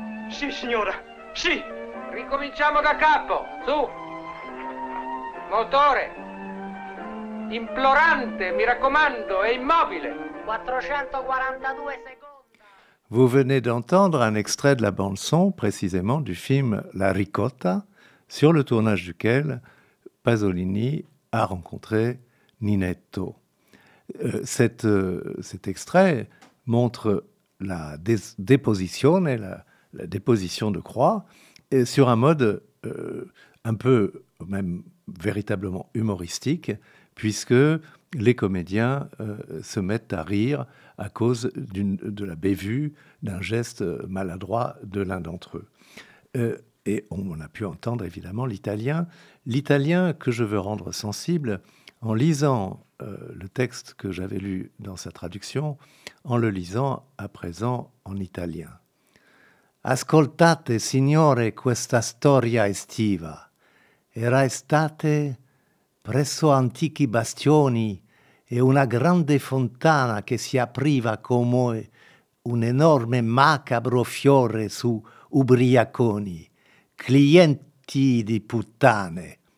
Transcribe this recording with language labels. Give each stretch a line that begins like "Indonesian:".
Italian: Sì, signora, sì. Ricominciamo da capo, su. Motore. Implorante, mi raccomando, è immobile. 442 secondi.
French: Vous venez d'entendre un extrait de la bande-son, précisément du film La Ricotta, sur le tournage duquel Pasolini a rencontré Ninetto. Cet extrait montre la déposition et la la déposition de croix, et sur un mode un peu, même véritablement humoristique, puisque les comédiens se mettent à rire à cause de la bévue, d'un geste maladroit de l'un d'entre eux. Et on a pu entendre évidemment l'italien. L'italien que je veux rendre sensible en lisant le texte que j'avais lu dans sa traduction, en le lisant à présent en italien.
Italian: Ascoltate, signore, questa storia estiva. Era estate presso antichi bastioni e una grande fontana che si apriva come un enorme macabro fiore su ubriaconi, clienti di puttane.